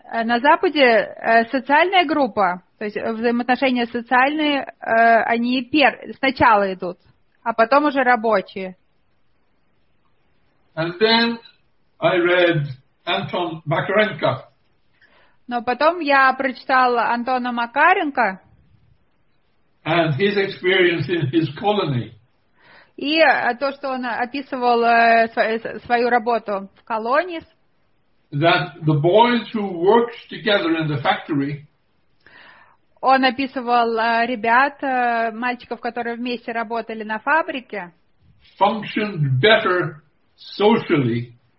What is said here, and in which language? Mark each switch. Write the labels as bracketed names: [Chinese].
[Russian] На Западе социальная группа, то есть взаимоотношения социальные, они сначала идут, а потом уже рабочие. [English] And then I read Anton Makarenko. [Russian] Но потом я прочитал Антона Макаренко. [English] And his experience in his colony. [Russian] И то, что он описывал свою работу в колонии. [English] That the boys who worked together in the factory. [Russian] Он описывал ребят, мальчиков, которые вместе работали на фабрике. [English] Functioned better socially.